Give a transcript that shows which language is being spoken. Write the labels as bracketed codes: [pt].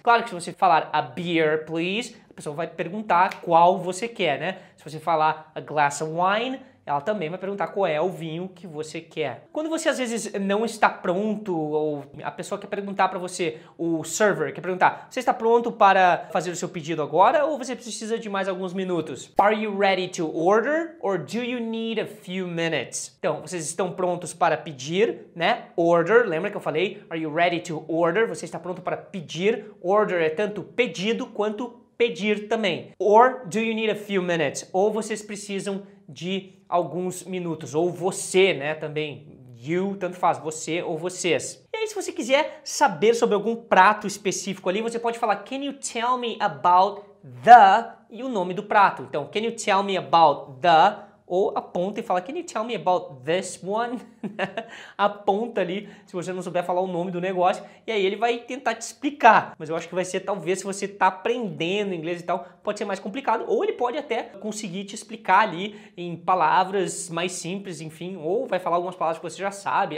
[pt] Claro que se você falar [en] a beer, please, [pt] a pessoa vai perguntar qual você quer, né? Se você falar [en] a glass of wine, [pt] ela também vai perguntar qual é o vinho que você quer. Quando você às vezes não está pronto, ou a pessoa quer perguntar para você, o server quer perguntar, você está pronto para fazer o seu pedido agora ou você precisa de mais alguns minutos? [en] Are you ready to order or do you need a few minutes? [pt] Então, vocês estão prontos para pedir, né? Order, lembra que eu falei? [en] Are you ready to order? [pt] Você está pronto para pedir. Order é tanto pedido quanto pedir também. [en] Or do you need a few minutes? [pt] Ou vocês precisam de alguns minutos. Ou você, né, também. You, tanto faz. Você ou vocês. E aí, se você quiser saber sobre algum prato específico ali, você pode falar, [en] can you tell me about the, [pt] e o nome do prato. [en] Então, can you tell me about the, [pt] ou aponta e fala, [en] can you tell me about this one? [pt] Aponta ali, se você não souber falar o nome do negócio, e aí ele vai tentar te explicar. Mas eu acho que vai ser, talvez, se você está aprendendo inglês e tal, pode ser mais complicado, ou ele pode até conseguir te explicar ali em palavras mais simples, enfim, ou vai falar algumas palavras que você já sabe.